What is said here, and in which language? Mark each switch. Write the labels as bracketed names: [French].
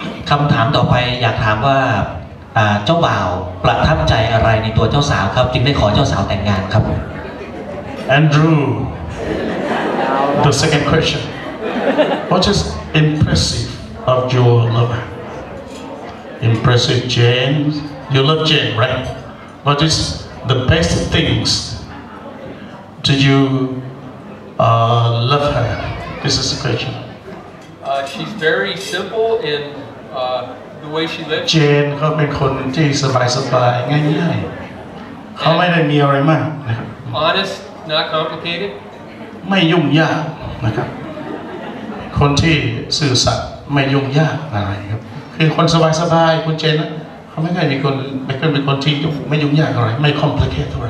[Thai] คำถามต่อไปอยากถามว่าเจ้าบ่าวประทับใจอะไรในตัวเจ้าสาวครับจึงได้ขอเจ้าสาวแต่งงานครับ [English] Andrew the second question what is impressive of your lover impressive James you love James right what is the best things do you love her this is the question she's very simple in the way she lives [Thai] เจนเขาเป็นคนที่สบายสบายง่ายๆเขาไม่ได้มีอะไรมาก [English] honest not complicated [Thai] ไม่ยุ่งยากนะครับคนที่สื่อสารไม่ยุ่งยากอะไรครับคือคนสบายสบายคุณเจนนะเขาไม่ได้มีคนไม่เป็นคนที่ยุ่งไม่ยุ่งยากอะไรไม่ complicated เท่าไหร